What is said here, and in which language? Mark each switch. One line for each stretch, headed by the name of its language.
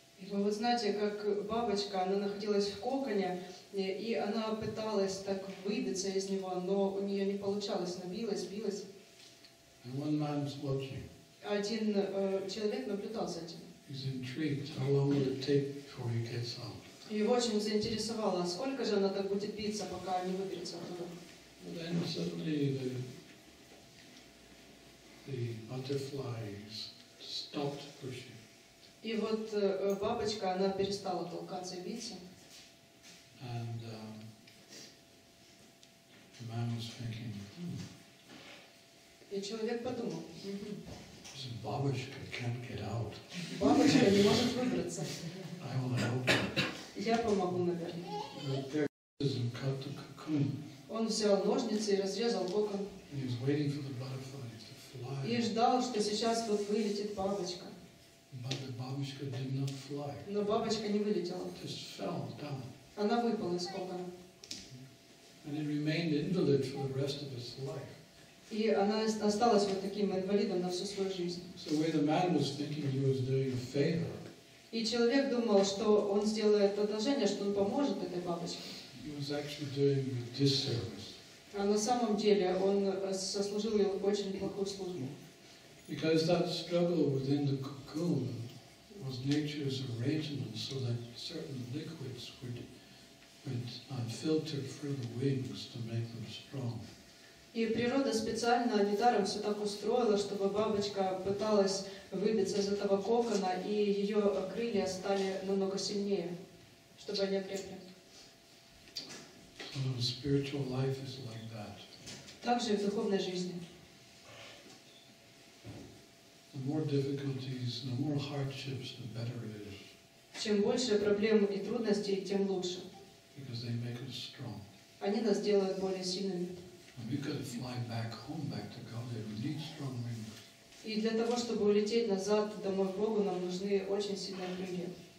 Russian: Вы знаете, как бабочка, она находилась в коконе, и она пыталась так выбиться из него, но у нее не получалось, она билась.
English: And one man's watching.
Russian: Один человек наблюдал за этим.
English: He's intrigued. How long will it take before he gets out?
Russian: Его очень заинтересовало, сколько же она так будет биться, пока не выберется оттуда.
English: Then suddenly the butterflies stopped pushing.
Russian: И вот бабочка, она перестала толкаться и биться.
English: And The man was thinking,
Russian: И человек подумал.
English: So
Russian: бабочка
English: can't get out.
Russian: Бабочка не может выбраться.
English: I will help her.
Russian: Я помогу, наверное.
English: And cut the cocoon.
Russian: Он взял ножницы и разрезал кокон.
English: And he was waiting for the butterfly to fly.
Russian: И ждал, что сейчас вот вылетит бабочка.
English: But the
Russian: бабочка
English: did not fly.
Russian: Но бабочка не вылетела.
English: Just fell down.
Russian: Она выпала из кокона.
English: And it remained invalid for the rest of its life.
Russian: И она осталась вот таким инвалидом на всю свою жизнь.
English: So where the man was thinking he was doing a favor.
Russian: И человек думал, что он сделает одолжение, что он поможет этой бабочке.
English: He was actually doing a disservice.
Russian: А на самом деле он сослужил ей очень плохую службу.
English: Because that struggle within the cocoon was nature's arrangement so that certain liquids would filter through the wings to make them strong.
Russian: И природа специально недаром все так устроила, чтобы бабочка пыталась выбиться из этого кокона, и ее крылья стали намного сильнее, чтобы они окрепли.
English: So spiritual life is like that.
Russian: Также и в духовной жизни.
English: The more difficulties, the more hardships, the better it is.
Russian: Чем больше проблем и трудностей, тем лучше.
English: Because they make us strong.
Russian: Они нас делают более сильными.
English: And we could fly back home, back to Godhead, we need strong wings.
Russian: И для того, чтобы улететь назад домой к Богу, нам нужны очень сильные крылья.